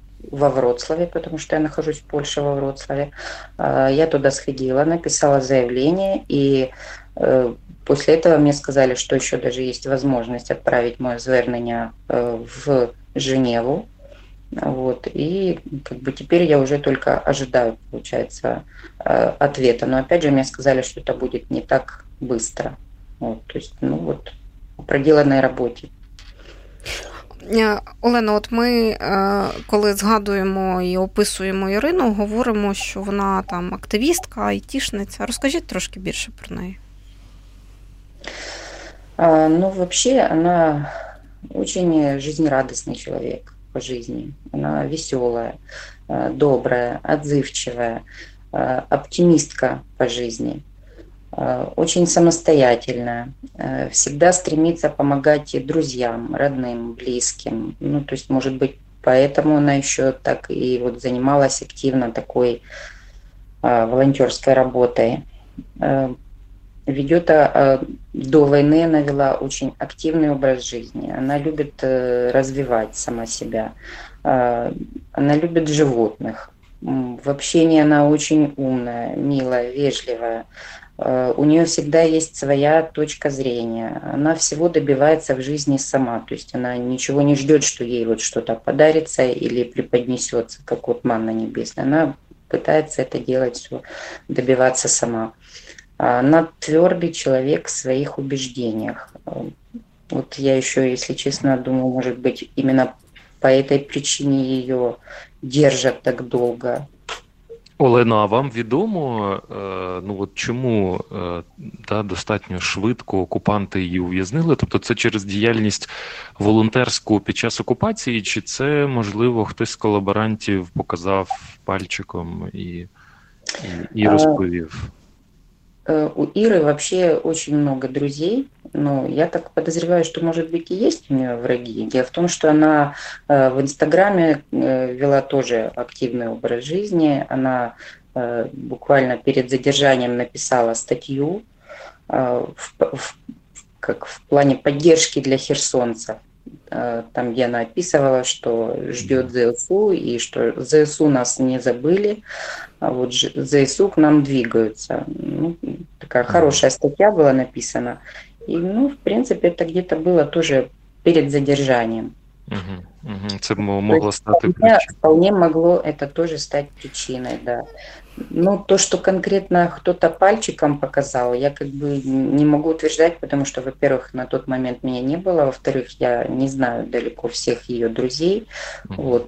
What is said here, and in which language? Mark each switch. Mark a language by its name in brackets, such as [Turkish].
[Russian] во Вроцлаве, потому что я нахожусь в Польше во Вроцлаве. Я туда сходила, написала заявление, и после этого мне сказали, что еще даже есть возможность отправить мое звернення в Женеву. Вот, и как бы теперь я уже только ожидаю, получается, ответа. Но опять же, мне сказали, что это будет не так быстро. Вот, то есть, ну вот, о проделанной работе. [Ukrainian] Олено, от ми, коли згадуємо і описуємо Ірину, говоримо, що вона там активістка, айтішниця. Розкажіть трошки більше про неї. Ну, взагалі, вона дуже життєрадісний чоловік по житті. Вона весела, добра, відзивчива, оптимістка по житті. [Russian] Очень самостоятельная, всегда стремится помогать и друзьям, родным, близким. Ну, то есть, может быть, поэтому она еще так и вот занималась активно такой волонтерской работой. Ведет, до войны она вела очень активный образ жизни. Она любит развивать сама себя. Она любит животных. В общении она очень умная, милая, вежливая. У нее всегда есть своя точка зрения. Она всего добивается в жизни сама. То есть она ничего не ждет, что ей вот что-то подарится или преподнесется, как вот манна небесная. Она пытается это делать все, добиваться сама. Она твердый человек в своих убеждениях. Вот я еще, если честно, думаю, может быть, именно по этой причине ее держат так долго. [Ukrainian] Олено, а вам відомо, ну от чому та достатньо швидко окупанти її ув'язнили? Тобто це через діяльність волонтерську під час окупації, чи це, можливо, хтось з колаборантів показав пальчиком і розповів? У Іри [Russian] вообще [Ukrainian] дуже багато друзів. [Russian] Ну, я так подозреваю, что, может быть, и есть у нее враги. Дело в том, что она в Инстаграме вела тоже активный образ жизни. Она буквально перед задержанием написала статью в плане поддержки для херсонцев. Там, где она описывала, что ждет ЗСУ, и что ЗСУ нас не забыли, а вот ЗСУ к нам двигаются. Ну, такая хорошая статья была написана. [Ukrainian] І, ну, в принципі, це где-то було теж перед задержанням. Це могло стати причиною. [Russian] Вполне могло [Ukrainian] це теж стати причиною, да. Ну, то, що конкретно хтось пальчиком показав, я как бы не можу утверждати, тому що, во-первых, на той момент мене не було, во-вторых, я не знаю далеко всіх її друзів. Вот.